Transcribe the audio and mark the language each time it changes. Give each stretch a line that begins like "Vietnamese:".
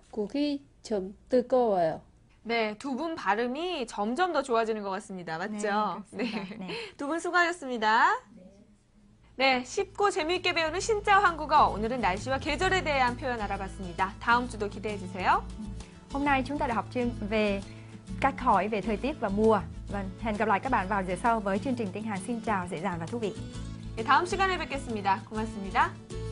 Korean: 국이 좀 뜨거워요. 네, 두 분 발음이 점점 더 좋아지는 것 같습니다. 맞죠? 네. 두 분 수고하셨습니다. 네, 쉽고 재미있게 배우는 신짜 한국어. 오늘은 날씨와 계절에 대한 표현 알아봤습니다. 다음 주도 기대해 주세요.
Vietnamese: Hôm nay chúng ta đã học chương về cách hỏi về thời tiết và mùa. Và hẹn gặp lại các bạn vào giờ sau với chương trình tiếng Hàn xin chào dễ dàng và thú vị.
Korean: 네, 다음 시간에 뵙겠습니다. 고맙습니다.